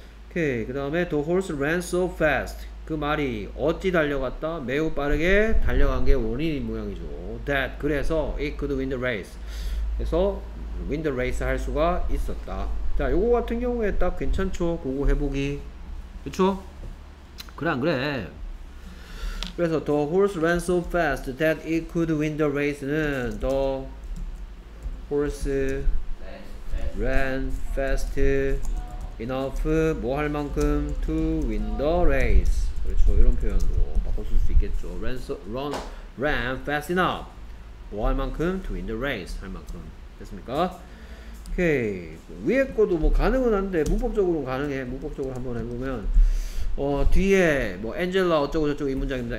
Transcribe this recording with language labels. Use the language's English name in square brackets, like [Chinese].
[Korean] 오케이 그 다음에 [English] the horse ran so fast [Korean] 그 말이 어찌 달려갔다 매우 빠르게 달려간 게 원인인 모양이죠 that 그래서 [English] it could win the race [Korean] 해서 윈드 레이스 할 수가 있었다. 자, 요거 같은 경우에 딱 괜찮죠? 그거 해보기. 그쵸? 그래 안 그래? 그래서 [English] the horse ran so fast that it could win the race [Korean] 는 [English] the horse ran fast enough [Korean] 뭐 할 만큼 [English] to win the race. [Korean] 그렇죠. 이런 표현으로 바꿔쓸 수 있겠죠. [English] ran fast enough [Korean] 뭐 할 만큼 [English] to win the race [Korean] 할 만큼 됐습니까? 오케이. 위에 것도 뭐 가능은 한데 문법적으로 가능해. 문법적으로 한번 해보면 뒤에 뭐 엔젤라 어쩌고저쩌고 이 문장입니다.